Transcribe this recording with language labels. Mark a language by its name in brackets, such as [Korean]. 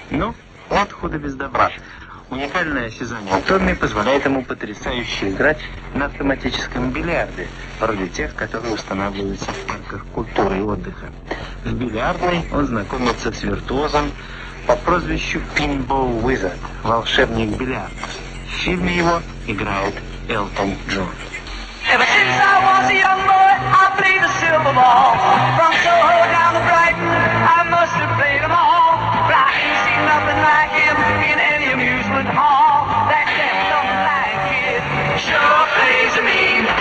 [Russian] Но от худа без добра. Уникальное осязание Томми позволяет ему потрясающе играть на автоматическом бильярде, вроде тех, которые устанавливаются в парках культуры и отдыха. В бильярдной он знакомится с виртуозом по прозвищу Pinball Wizard, волшебник бильярда. В фильме его играет Элтон Джон. [English] Ever since I was a young boy, I played a silver ball. From Soho down to Brighton, I must have played them all. But I ain't seen nothing like him in any amusement hall. That Elton Black kid sure plays a mean